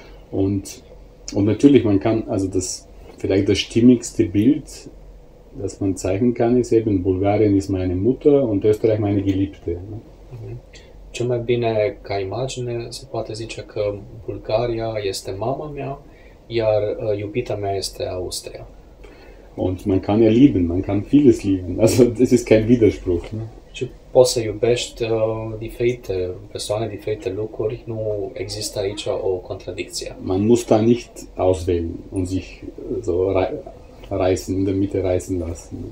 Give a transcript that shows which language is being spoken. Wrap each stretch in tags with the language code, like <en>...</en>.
<de>Und natürlich, man kann, also das vielleicht das stimmigste Bild, das man zeigen kann, ist eben, Bulgarien ist meine Mutter und Österreich meine Geliebte. Ne?</de> <ro>Cel mai bine ca imagine se poate zice că Bulgaria este mama mea, iar iubita mea este Austria.</ro> <de>Und man kann ja lieben, man kann vieles lieben, also das ist kein Widerspruch. Ne?</de> <ro>Și poți să iubești diferite persoane, diferite lucruri, nu există aici o contradicție.</ro> <de>Man muss da nicht auswählen und sich so reißen, in der Mitte reißen lassen.</de>